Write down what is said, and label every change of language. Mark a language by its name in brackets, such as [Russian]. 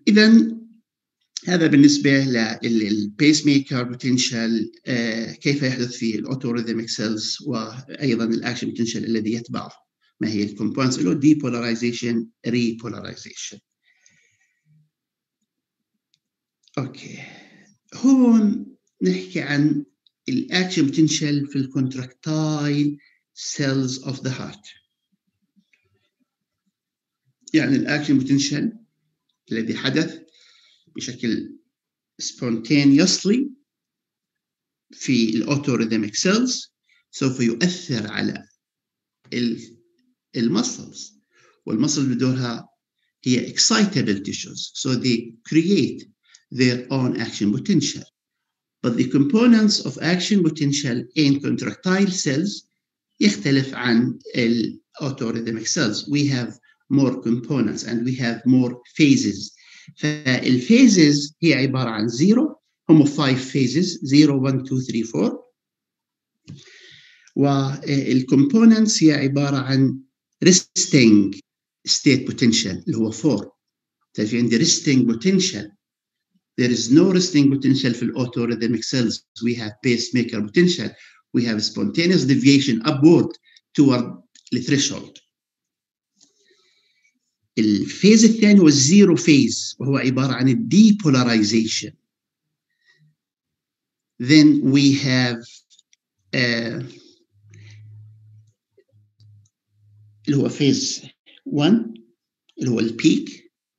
[Arabic] إذن هذا بالنسبة للpacemaker potential, كيف يحدث في الauto rhythmic cells, وأيضا الaction potential الذي يتبعه, ما هي الكومبوننتس له, depolarization, repolarization. أوكي هون نحكي عن الaction potential في contractile cells of the heart. يعني الaction potential الذي حدث بشكل spontaneously في الauto-rhythmic cells سوف يؤثر على المسلز, والمسلز بدورها هي excitable tissues, [English] so they create their own action potential. But the components of action potential in contractile cells [Arabic] يختلف عن الauto-rhythmic cells. [English] We have more components and we have more phases. [Arabic] فالphases هي عبارة عن zero, هم five phases, 0, 1, 2, 3, 4. والcomponents هي عبارة عن resting state potential اللي هو 4. في عندي resting potential. [English] There is no resting potential في auto rhythmic cells. We have pacemaker potential. We have spontaneous deviation upward toward the threshold. [Arabic] الفيز الثاني هو zero phase, وهو عبارة عن depolarization. [English] Then we have [Arabic] اللي هو فيز 1 اللي هو البيك.